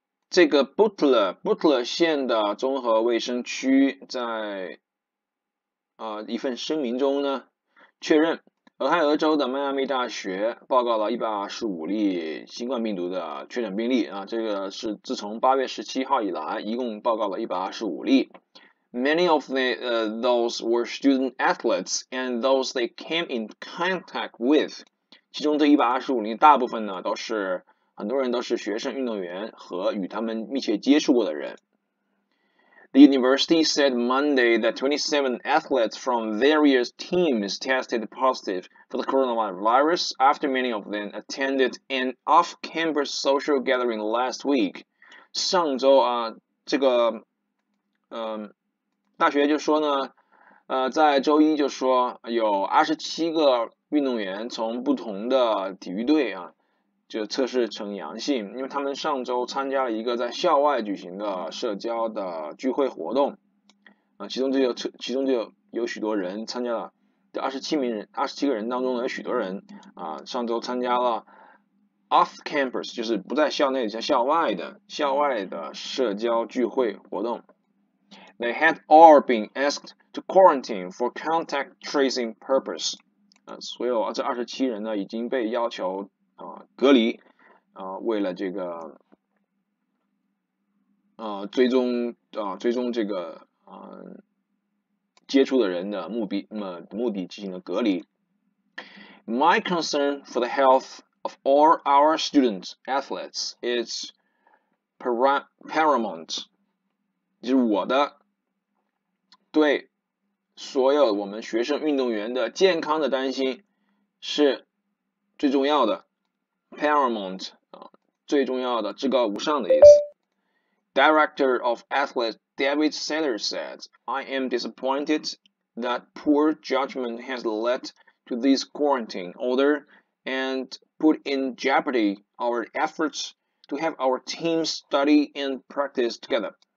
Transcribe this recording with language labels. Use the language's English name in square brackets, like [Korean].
[Chinese] 这个 Butler 县的综合卫生区在一份声明中呢确认，俄亥俄州的迈阿密大学报告了125例新冠病毒的确诊病例啊，这个是自从8月17号以来一共报告了125例。 [English] Many of the, those were student athletes and those they came in contact with. [Chinese] 其中这125例大部分呢都是很多人都是学生运动员和与他们密切接触过的人。 [English] The university said Monday that 27 athletes from various teams tested positive for the coronavirus after many of them attended an off-campus social gathering last week. [Chinese] 上周啊，这个，大学就说呢，在周一就说有27个运动员从不同的体育队啊，就测试呈阳性，因为他们上周参加了一个在校外举行的社交的聚会活动，其中就有许多人参加了，这27个人当中有许多人上周参加了 [English] off campus， [Chinese] 就是不在校内，在校外的社交聚会活动。 [English] They had all been asked to quarantine for contact tracing purpose。 [Chinese] 所有这27人呢已经被要求隔离为了这个追踪这个接触的人的目的进行了隔离。 [English] My concern for the health of all our student athletes is paramount. [Chinese] 就是我的对所有我们学生运动员的健康的担心是最重要的。 [English] Paramount [Chinese] 最重要的至高无上的意思。 [English] Director of Athletics David Satter said, I am disappointed that poor judgment has led to this quarantine order and put in jeopardy our efforts to have our team study and practice together.